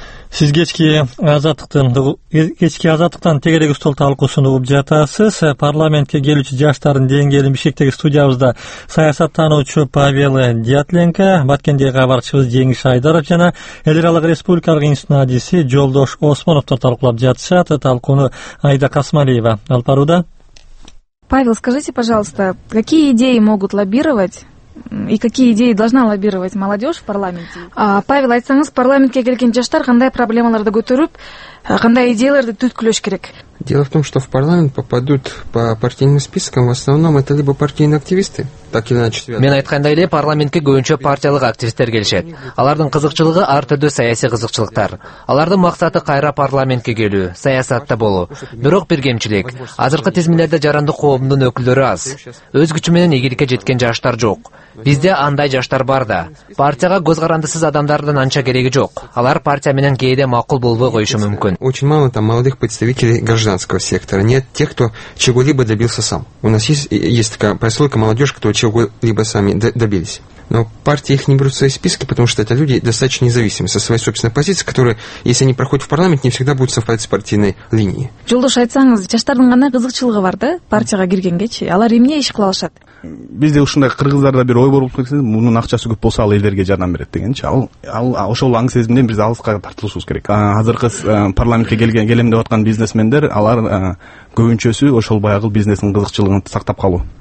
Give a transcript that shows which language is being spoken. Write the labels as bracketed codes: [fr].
[ky] Сиз кечки азаттыктан тегерек устол талкуу сунуп жатасыз. Парламентке келүүчү жаштардын деңгээлин Бишкектеги студиябызда саясаттануучу Павел Дятленко, Баткендеги кабарчыбыз Жеңиш Айдаров жана Эл аралык республикалык институттун адиси Жолдош Осмоновтор талкуулап жатышат. Талкууну Айда Касмалиева алып барууда. [ru] Павел, скажите, пожалуйста, какие идеи могут лоббировать? И какие идеи должна лоббировать молодежь в парламенте? [ky] Павел, айтсаңыз, парламентке келген жаштар кандай проблемаларды көтөрүп, кандай идеяларды түйткүлөш керек? [ru] Дело в том, что в парламент попадут по партийным спискам, в основном это либо партийные активисты, [ky] Мен айткандай эле парламентке көбүнчө партиялык активисттер келишет. Алардын кызыкчылыгы ар түрдүү саясий кызыкчылыктар. Алардын максаты кайра парламентке келүү, саясатта болуу. Бирок бир кемчилик: азыркы тизмелерде жарандык коомдун өкүлдөрү аз. Өз күчү менен ийгиликке жеткен жаштар жок. Бизде андай жаштар бар да. Партияга көз карандысыз адамдардын анча кереги жок. Алар партия менен кээде макул болбой коюшу мүмкүн. [ru] Очень мало там молодых представителей гражданского сектора. Нет тех, кто чего-либо добился сам. У нас есть такая прослойка молодежь, кто чего-либо сами добились. Но партии их не берут в свои списки, потому что это люди достаточно независимые со своей собственной позиции, которые, если они проходят в парламент, не всегда будут совпадать с партийной линией. [ky] Жолдош, айтсаңыз, жаштардын гана кызыкчылыгы бар да, партияга киргенгечи. Алар эмне иш кыла алышат? Бизде ушундай кыргыздарда бир ой болуп турса, мунун акчасы көп болсо, ал элдерге жардам берет дегенчи. Ал ошол аң сезимден биз алыска тартылышыбыз керек. Азыркы парламентке келем деп аткан бизнесмендер, алар көбүнчөсү ошол баягыл бизнестин кызыкчылыгын сактап калуу.